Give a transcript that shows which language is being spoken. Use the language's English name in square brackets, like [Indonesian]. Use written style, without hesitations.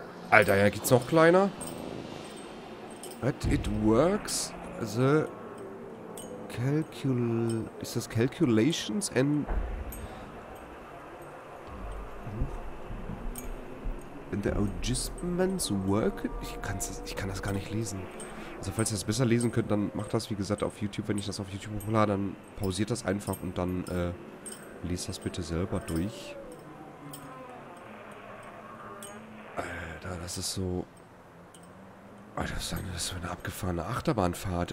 [German] Alter, ja, geht's noch kleiner? [English] But it works? The calcul... [German] Ist das [English] calculations and... And the adjustments work? [German] Ich kann das gar nicht lesen. Also falls ihr das besser lesen könnt, dann macht das wie gesagt auf YouTube. Wenn ich das auf YouTube hochlade, dann pausiert das einfach und dann lest das bitte selber durch. Alter, das ist so... Alter, was ist denn das für eine abgefahrene Achterbahnfahrt?